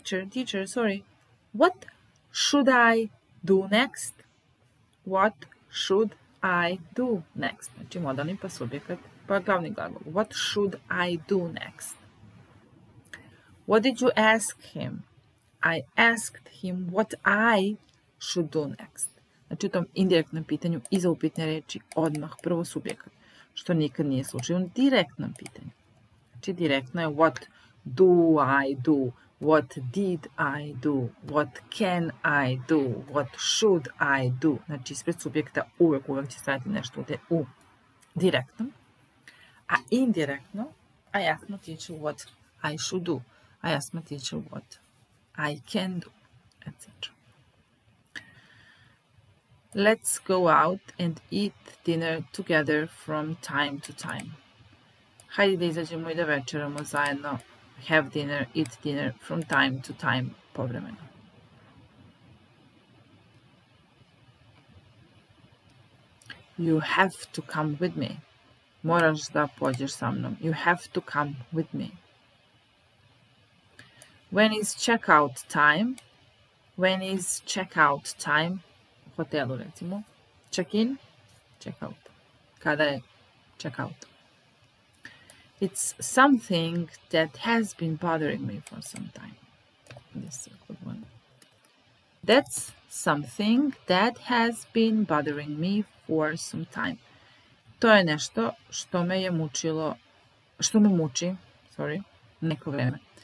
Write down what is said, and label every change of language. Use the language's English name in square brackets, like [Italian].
[English] Teacher, sorry, what should I do next? What should I do next. [Serbian] Znači modalni pa subjekat pa glavni glagol. [English] What should I do next? What did you ask him? I asked him what I should do next. [Serbian] Znači u tom indirektnom pitanju iza upitne reči odmah prvo subjekat. Što nikad nije slučaj u direktnom pitanju. Znači direktno je [English] what do I do? What did I do? What can I do? What should I do? [Serbian] Znači, ispred subjekta uvek će staviti nešto u direktnom. A indirektno, [English] I asked my teacher what I should do. I asked my teacher what I can do, etc. Let's go out and eat dinner together from time to time. [Serbian] Hajde da izađemo i da večeramo zajedno. [English] Have dinner, eat dinner from time to time, povremeno. You have to come with me. [Serbian] Moraš da pođeš sa mnom. [English] You have to come with me. When is checkout time? When is checkout time? [Serbian] U hotelu recimo. [English] Check in, check out. [Serbian] Kada je checkout? [English] It's something that has been bothering me for some time. This is a good one. That's something that has been bothering me for some time. [Serbian] To je nešto što me je mučilo, što me muči, sorry, neko vreme.